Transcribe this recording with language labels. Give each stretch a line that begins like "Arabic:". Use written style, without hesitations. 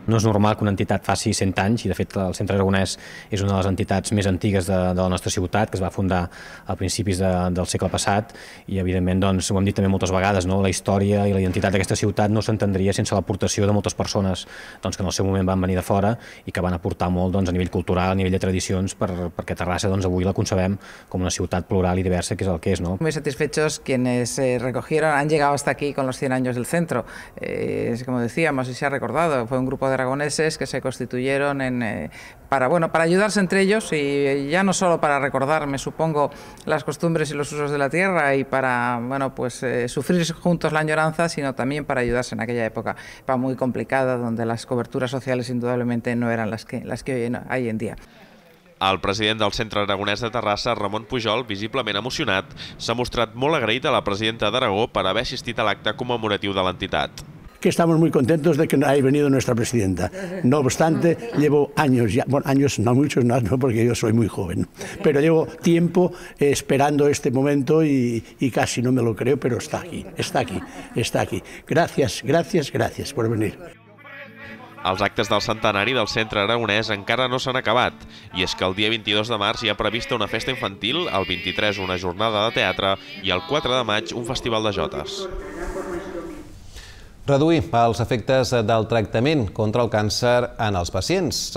Catalan: No és normal que una entitat faci 100 anys, i de fet el Centre Aragonès és una de les entitats més antigues de la nostra ciutat, que es va fundar a principis del segle passat, i evidentment, doncs, ho hem dit també moltes vegades, no? La història i la identitat d'aquesta ciutat no s'entendria sense l'aportació de moltes persones, doncs, que en el seu moment van venir de fora i que van aportar molt, doncs, a nivell cultural, a nivell de tradicions, perquè Terrassa, doncs, avui la concebem com una ciutat plural i diversa, que és el que és. No?
Spanish: Muy satisfechos quienes recogieron, han llegado hasta aquí con los 100 años del centro. Como decíamos, y se ha recordado, fue un grupo de aragoneses que se constituyeron para ayudarse entre ellos, y ya no solo para recordar, me supongo, las costumbres y los usos de la tierra y para, bueno, pues sufrir juntos la añoranza, sino también para ayudarse en aquella época muy complicada, donde las coberturas sociales indudablemente no eran las que hoy en día.
Catalan: El president del Centre Aragonès de Terrassa, Ramon Pujol, visiblement emocionat, s'ha mostrat molt agraït a la presidenta d'Aragó per haver assistit a l'acte commemoratiu de l'entitat.
Spanish: Que estamos muy contentos de que haya venido nuestra presidenta. No obstante, llevo años, ya, bueno, años no muchos, no, porque yo soy muy joven, pero llevo tiempo esperando este momento y casi no me lo creo, pero está aquí. Gracias por venir.
Catalan: Els actes del centenari del Centre Aragonès encara no s'han acabat, i és que el dia 22 de març hi ha prevista una festa infantil, el 23 una jornada de teatre i el 4 de maig un festival de jotes. Reduir els efectes del tractament contra el càncer en els pacients.